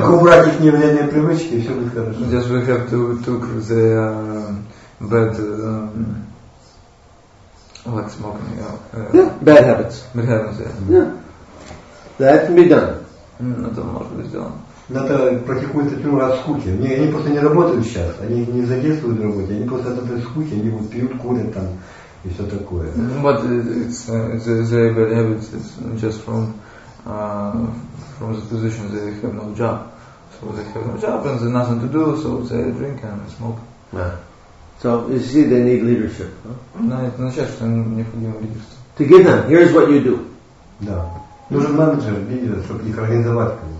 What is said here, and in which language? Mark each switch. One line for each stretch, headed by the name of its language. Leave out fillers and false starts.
Russian: Только убрать их невнятные привычки, и все будет хорошо.
English: Just we have to took the bad like smoking. Bad habits. Bad habits. Yeah. That can be done.
Russian: Это может быть сделано. Это практикует от него от скуки. Они просто не работают сейчас, они не задействуют в работе, они просто от этой скуки, они вот пьют, курят там и все такое.
English: But it's bad habits, it's just from the position they have no job. So they have no job and there's nothing to do, so they drink and smoke. Yeah. So you see they need leadership, huh? No,
Russian: это означает, что им необходимо лидерство.
English: To give them, here's what you do.
Russian: Да. Нужен менеджер, лидер, чтобы их организовать.